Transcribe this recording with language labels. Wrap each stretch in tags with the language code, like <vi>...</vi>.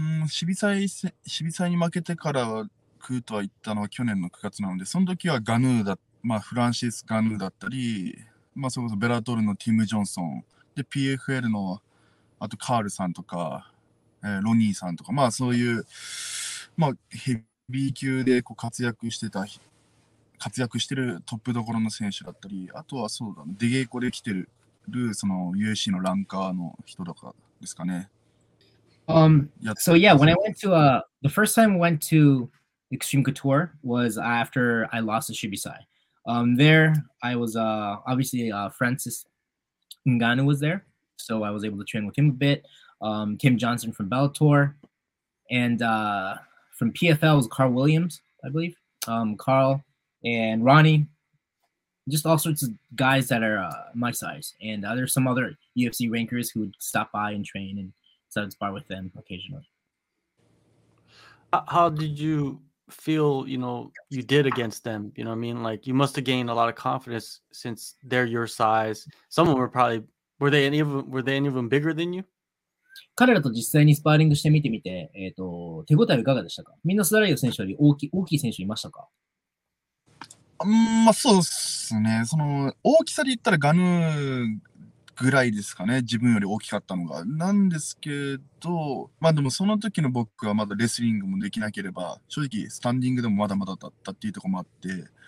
<ja>シビサイに負けてからクートは行ったのは去年の9月なので、その時はガヌーだ、まあ、フランシス・ガヌーだったり、まあ、それこそベラトルのティム・ジョンソン、で、PFL のあとカールさんとか、ロニーさんとか、まあそういう、まあヘビー級でこう活躍してるトップどころの選手だったり、あとはそうだね、出稽古で来てる、その UAC のランカーの人とかですかね。</ja> <en>So yeah, when I went to, the first time I went to Extreme Couture was after I lost to Shibisai. There, I was, obviously, Francis Ngannou was there, so I was able to train with him a bit. Tim Johnson from Bellator, and from PFL is Carl Williams, I believe. Carl and Ronnie, just all sorts of guys that are my size. And there's some other UFC rankers who would stop by and train and set up spar with them occasionally. How did you feel, you know, you did against them? You know what I mean? Like, you must have gained a lot of confidence since they're your size. Some of them were probably, were they any of them bigger than you?</en> <ja>彼らと実際にスパーリングしてみてみて、手応えはいかがでしたか？みんなスダライオ選手より大きい選手いましたか？まあそうですね。その大きさで言ったらガヌーぐらいですかね。自分より大きかったのが。なんですけど、まあでもその時の僕はまだレスリングもできなければ、正直スタンディングでもまだまだだったっていうところもあって、</ja>